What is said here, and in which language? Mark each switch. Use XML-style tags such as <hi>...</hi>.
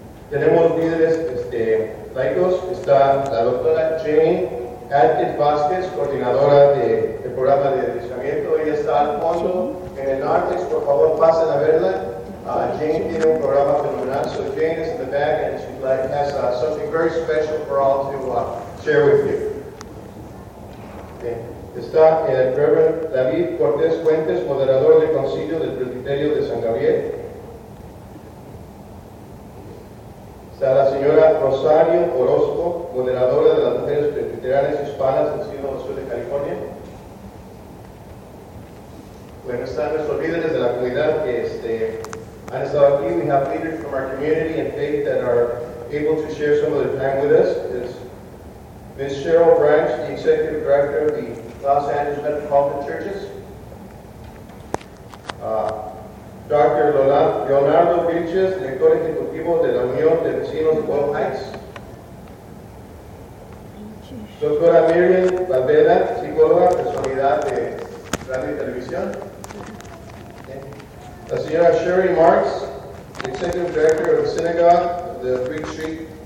<es>Tenemos líderes laicos, está la doctora Jane Atkins Vázquez, coordinadora del programa de adiestramiento. Ella está al fondo, en el nártex, por favor pasen a verla. Jane tiene un programa fenomenal,</es> <en>so Jane is in the back and she has something very special for all to share with you.</en> <es>Okay. Está el Reverend David Cortés Fuentes, moderador del Concilio del Presbiterio de San Gabriel. Está la señora Rosario Orozco, moderadora de las mujeres presbiterianas hispanas del Cielo Sur de California. Bueno, están nuestros líderes de la comunidad que han estado aquí.</es> <en>We have leaders from our community and faith that are able to share some of their time with us. It's Ms. Cheryl Branch, the Executive Director of the Los Angeles Metropolitan Churches.</en> <es>Dr. Leonardo Vilches, Director Ejecutivo de la Unión de Vecinos de Wall Heights. Doctora Miriam Valvera, psicóloga, personalidad de Radio y Televisión. La señora</es> <en>Sherry Marks, Executive Director of the Synagogue of the Greek Street.</en>